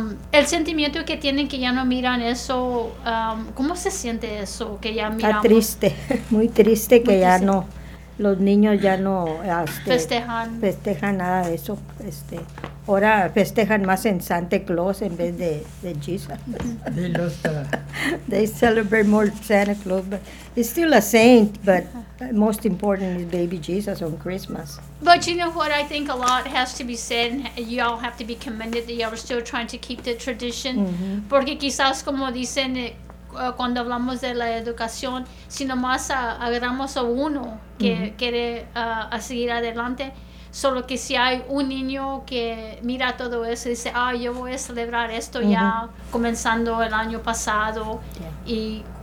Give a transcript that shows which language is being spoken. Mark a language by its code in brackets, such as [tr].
[es] El sentimiento que tienen que ya no miran eso, ¿cómo se siente eso que ya miramos? Está triste, muy triste que muy triste. Ya no. Los niños ya no festejan nada de eso. Ahora festejan más en Santa Claus en vez de Jesus. [en] They lost They celebrate more Santa Claus, but he's still a saint, but most important is baby Jesus on Christmas. But you know what? I think a lot has to be said, and you all have to be commended that y'all are still trying to keep the tradition. Mm-hmm. [es] Porque quizás, como dicen, cuando hablamos de la educación, si nomás agarramos a uno que mm-hmm. quiere a seguir adelante, solo que si hay un niño que mira todo eso y dice, ah, yo voy a celebrar esto mm-hmm. ya comenzando el año pasado, yeah.